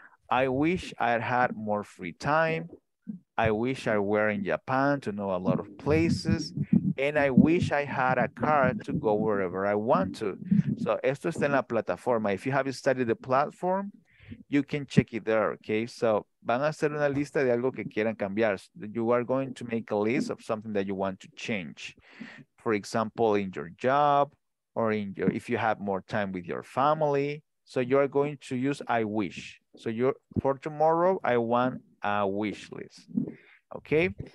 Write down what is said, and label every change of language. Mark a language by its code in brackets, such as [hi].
[en] I wish I had more free time. I wish I were in Japan to know a lot of places. And I wish I had a car to go wherever I want to. [es] So esto está en la plataforma. [en] If you have studied the platform, you can check it there, okay? [es] So van a hacer una lista de algo que quieran cambiar. [en] You are going to make a list of something that you want to change. For example, in your job, or in your, if you have more time with your family. So you are going to use I wish. So you're, for tomorrow, I want a wish list. Okay.